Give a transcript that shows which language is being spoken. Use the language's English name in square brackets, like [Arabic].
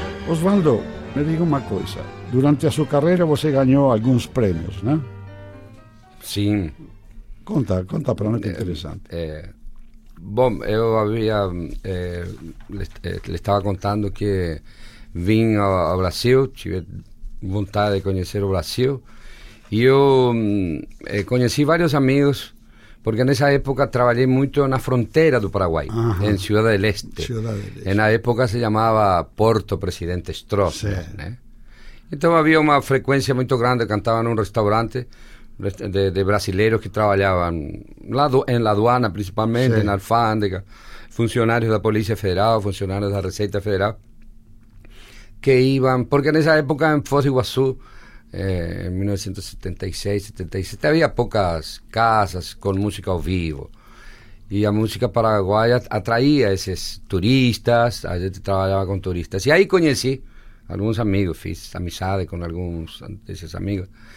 [Spanish] Osvaldo, me digo una cosa. Durante su carrera vos ganó algunos premios, ¿no? Sí. Conta, pero no es interesante. Yo había... le estaba contando que [Portuguese] vim a Brasil, tive vontade de conhecer o Brasil, e eu conheci vários amigos, porque nessa época trabalhei muito na fronteira do Paraguai, em Ciudad del Este. Na época se chamava Porto Presidente Stross, né? Então havia uma frequência muito grande, cantava num restaurante de brasileiros que trabalhavam lá em [Spanish] la aduana, [Portuguese] principalmente, na alfândega, funcionários da Polícia Federal, funcionários da Receita Federal, [Spanish] que iban, porque en esa época en Foz do Iguaçu, en 1976-77, había pocas casas con música al vivo. Y la música paraguaya atraía a esos turistas, a gente trabajaba con turistas. Y ahí conocí a algunos amigos, [Portuguese] fiz [Spanish] amistades con algunos de esos amigos.